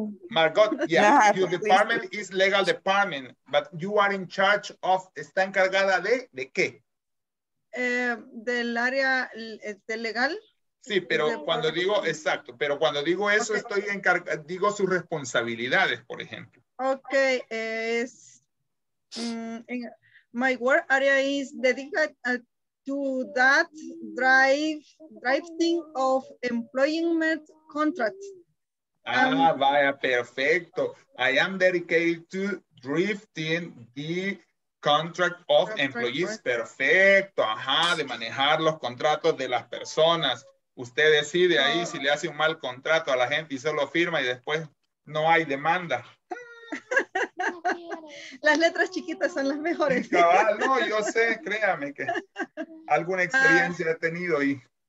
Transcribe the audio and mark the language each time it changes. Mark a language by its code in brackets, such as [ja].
[en] Margot, yeah, your department is legal department, but you are in charge of, [es] está encargada de qué? Del área de legal. Sí, pero cuando digo, exacto, pero cuando digo eso, okay. Estoy encargado, digo sus responsabilidades, por ejemplo. [en] Ok, es, my work area is dedicated to that drafting of employment contracts. [es] Ah, vaya, perfecto. [en] I am dedicated to drafting the contract of employees. [es] Perfecto, ajá, de manejar los contratos de las personas. Usted decide ahí si le hace un mal contrato a la gente y solo firma y después no hay demanda. Las letras chiquitas son las mejores. No, yo sé, créame que alguna experiencia he tenido y...